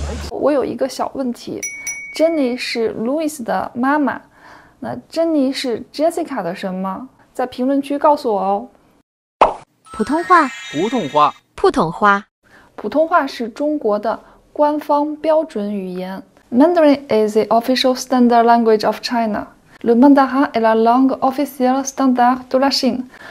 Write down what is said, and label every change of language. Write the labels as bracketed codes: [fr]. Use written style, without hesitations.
[zh] 我有一个小问题 ，Jenny 是 Louis 的妈妈，那 Jenny 是 Jessica 的什么？在评论区告诉我哦。普通话，普通话，普通话，普通话是中国的官方标准语言。 [en] Mandarin is the official standard language of China. [fr] Le Mandarin est la langue officielle standard de la Chine.